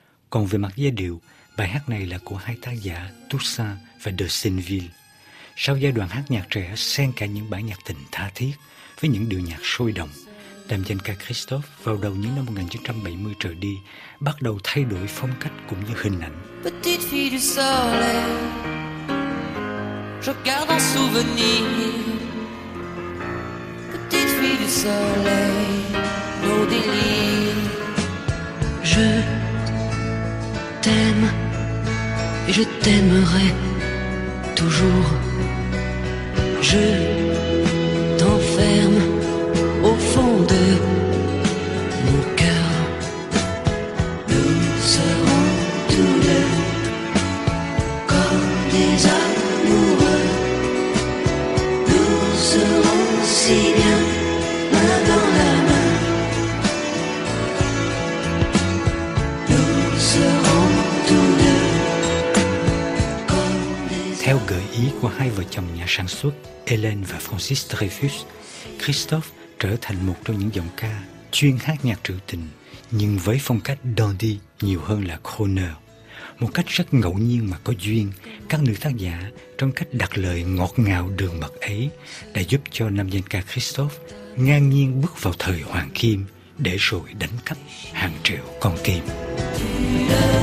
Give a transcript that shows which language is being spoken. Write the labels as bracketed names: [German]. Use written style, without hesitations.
[Vietnamese] Còn về mặt giai điệu, bài hát này là của hai tác giả Toussaint và De Saintville. Sau giai đoạn hát nhạc trẻ xen cả những bản nhạc tình tha thiết với những điệu nhạc sôi động, nam danh ca Christophe vào đầu những năm 1970 trở đi bắt đầu thay đổi phong cách cũng như hình ảnh. [French] Petite fille du soleil, je garde un souvenir. Petite fille du soleil, nos délires. Je t'aime et je t'aimerai toujours. Je t'enferme au fond de mon cœur. Nous serons tous deux comme des amoureux. Nous serons si bien main dans la main. Nous serons tous deux comme des. [Vietnamese] Theo gợi ý của hai vợ chồng nhà sản xuất Hélène và Francis Dreyfus, Christophe trở thành một trong những giọng ca chuyên hát nhạc trữ tình nhưng với phong cách dandy nhiều hơn là crooner. Một cách rất ngẫu nhiên mà có duyên, các nữ tác giả trong cách đặt lời ngọt ngào đường mật ấy đã giúp cho nam danh ca Christophe ngang nhiên bước vào thời hoàng kim để rồi đánh cắp hàng triệu con tim.